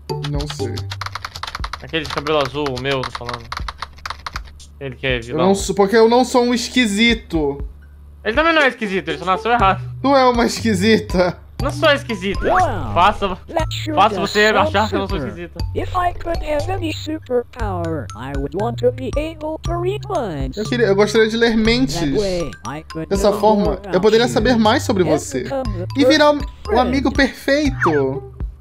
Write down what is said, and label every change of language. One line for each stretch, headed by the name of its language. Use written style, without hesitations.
Portuguese: Não sei. Aquele de cabelo azul, o meu, tô falando. Ele que é vilão. Porque eu não sou um esquisito. Ele também não é esquisito, ele só nasceu errado. Tu é uma esquisita. Não sou esquisita. Faça você achar que eu não sou esquisita.
English: If I could have any superpower, I would want to be able to read minds.
Portuguese: Eu gostaria de ler mentes. Dessa forma, eu poderia saber mais sobre você. E virar um amigo perfeito.